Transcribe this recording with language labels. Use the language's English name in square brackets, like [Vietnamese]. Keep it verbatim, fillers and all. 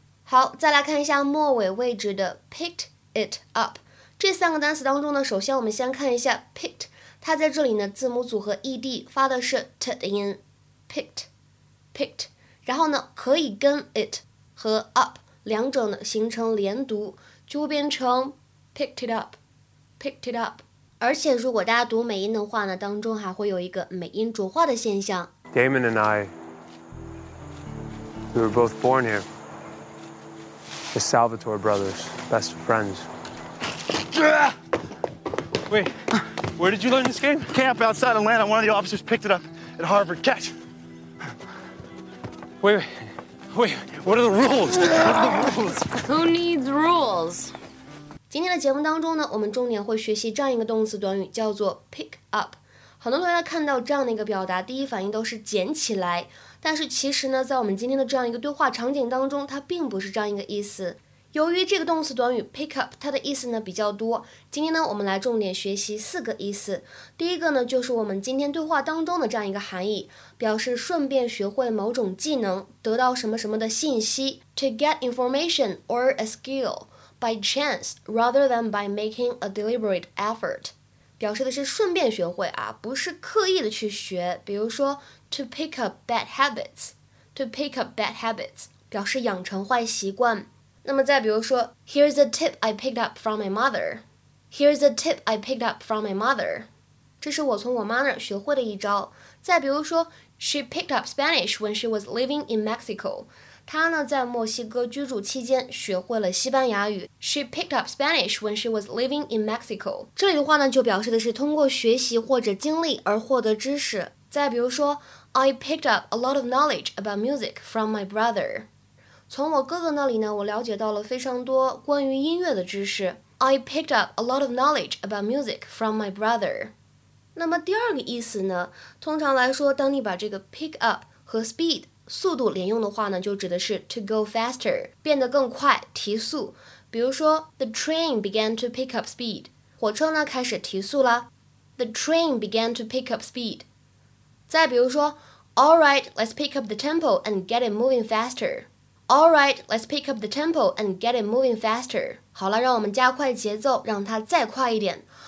[Chinese] 好，再来看一下末尾位置的 picked it up 这三个单词当中呢，首先我们先看一下 picked， 它在这里呢字母组合 ed 发的是 t 的音 picked picked， 然后呢可以跟 it 和 up 两者呢形成连读，就会变成 picked it uppicked it up。而且如果大家读美音的话呢，当中还会有一个美音浊化的现象。 [English] Damon and I, we were both born here. The Salvatore brothers, best friends. Wait, where did you learn this game? Camp outside Atlanta. One of the officers picked it up at Harvard. Catch. Wait, wait, what are the rules? What are the rules? Who needs rules? [Chinese] 今天的节目当中呢，我们重点会学习这样一个动词短语，叫做 pick up。很多同学看到这样的一个表达，第一反应都是捡起来，但是其实呢在我们今天的这样一个对话场景当中，它并不是这样一个意思。由于这个动词短语 pick up 它的意思呢比较多，今天呢我们来重点学习四个意思。第一个呢就是我们今天对话当中的这样一个含义，表示顺便学会某种技能，得到什么什么的信息， [English] to get information or a skill by chance rather than by making a deliberate effort， [Chinese] 表示的是顺便学会啊，不是刻意的去学。比如说 [English] to pick up bad habits， [Chinese] to pick up bad habits 表示养成坏习惯。那么再比如说 [English] here's a tip I picked up from my mother， [Chinese] here's a tip I picked up from my mother， 这是我从我妈那儿学会的一招。再比如说 [English] she picked up Spanish when she was living in Mexico， [Chinese] 她呢在墨西哥居住期间学会了西班牙语。 [English] She picked up Spanish when she was living in Mexico， [Chinese] 这里的话呢就表示的是通过学习或者经历而获得知识。再比如说 [English] I picked up a lot of knowledge about music from my brother， [Chinese] 从我哥哥那里呢我了解到了非常多关于音乐的知识。 [English] I picked up a lot of knowledge about music from my brother。 [Chinese] 那么第二个意思呢，通常来说当你把这个 pick up 和 speed速度连用的话呢，就指的是 [English] to go faster， [Chinese] 变得更快，提速。比如说 [English] the train began to pick up speed， [Chinese] 火车呢开始提速了。 [English] The train began to pick up speed。 [Chinese] 再比如说 [English] all right let's pick up the tempo and get it moving faster， all right let's pick up the tempo and get it moving faster， [Chinese] 好了，让我们加快节奏，让它再快一点。